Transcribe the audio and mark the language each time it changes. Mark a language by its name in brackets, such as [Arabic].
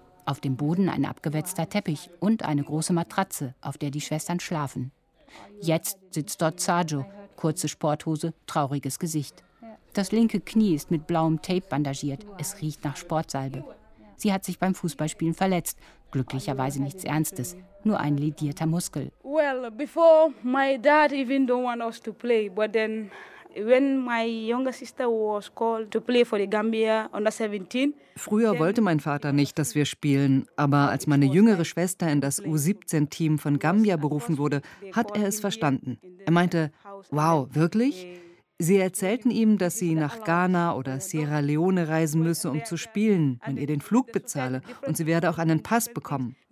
[German] Auf dem Boden ein abgewetzter Teppich und eine große Matratze, auf der die Schwestern schlafen. Jetzt sitzt dort Sajo, kurze Sporthose, trauriges Gesicht. Das linke Knie ist mit blauem Tape bandagiert, es riecht nach Sportsalbe. Sie hat sich beim Fußballspielen verletzt, glücklicherweise nichts Ernstes, nur ein ledierter Muskel. [English] Well, before my dad even don't want us to play, but then when my younger sister was called to play for the Gambia under 17. [German] Früher wollte mein Vater nicht, dass wir spielen, aber als meine jüngere Schwester in das U17-Team von Gambia berufen wurde, hat er es verstanden. Er meinte, wow, wirklich? Sie erzählten ihm, dass sie nach Ghana oder Sierra Leone reisen müsse, um zu spielen, wenn ihr den Flug bezahle und sie werde auch einen Pass bekommen.